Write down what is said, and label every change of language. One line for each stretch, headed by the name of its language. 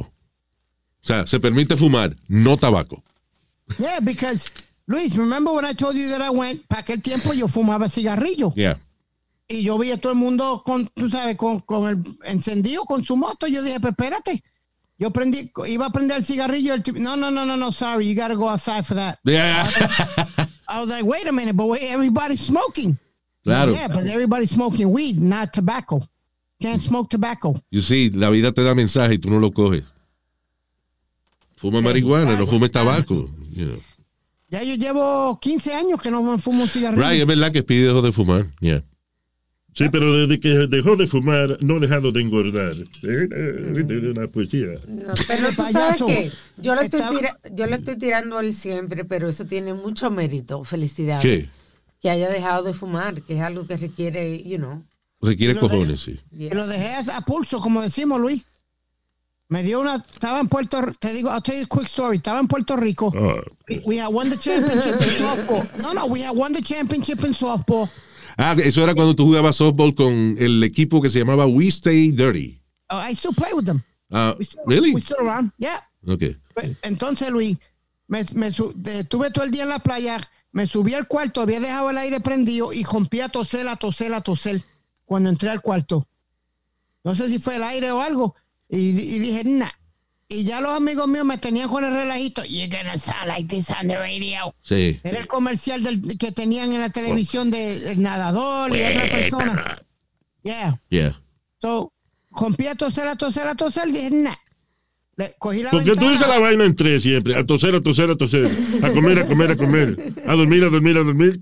Spanish: O sea, se permite fumar, no tabaco.
English: Yeah, because, Luis, remember when I told you that I went,
Spanish: para aquel tiempo yo fumaba cigarrillo.
English: Yeah.
Spanish: Y yo vi a todo el mundo con, tú sabes, con el encendido, con su moto. Yo dije, pero espérate. Yo prendí, iba a prender el cigarrillo.
English: No, sorry, you gotta go outside for that. Yeah. I was like, wait a minute, but wait, everybody's smoking.
Spanish: Claro.
English: Yeah, but everybody's smoking weed, not tobacco. Can't smoke tobacco.
Spanish: You see, la vida te da mensaje y tú no lo coges. Fuma marihuana, no fumes tabaco. Ya yo llevo 15 años que no fumo un cigarrillo. Right, es verdad que Speedy dejó de fumar.
English: Yeah.
Spanish: Sí, pero desde que dejó de fumar, no ha dejado de engordar. Es una poesía. No, pero tú sabes que yo le estoy tirando él siempre, pero eso tiene mucho mérito. Felicidades. ¿Qué? Que haya dejado de fumar, que es algo que requiere,
English: you know.
Spanish: Requiere cojones, sí.
English: Yeah.
Spanish: Lo dejé a pulso, como decimos, Luis. Me dio una... Estaba en Puerto... Te digo,
English: I'll tell you a quick story.
Spanish: Estaba en Puerto Rico. Oh.
English: We had won the championship in softball. No, no, we had won the championship in softball.
Spanish: Ah, eso era cuando tú jugabas softball con el equipo que se llamaba We Stay Dirty.
English: Oh, I still play with them. Really? We still around, yeah. Okay.
Spanish: Entonces, Luis, estuve todo el día en la playa, me subí al cuarto, había dejado el aire prendido y rompí a toser, a toser, a toser cuando entré al cuarto. No sé si fue el aire o algo. Y dije, nah. Y ya los amigos míos me tenían con el relajito.
English: You're gonna sound like this on the radio.
Spanish: Sí. Era el comercial que tenían en la televisión del nadador y otra persona.
English: Yeah. Yeah.
Spanish: So, rompí a toser, a toser, a toser. Dije, nah. Le cogí la Porque ventana. Tú dices la vaina en tres siempre. A toser, a toser, a toser. A comer, a comer, a comer. A dormir, a dormir, a dormir.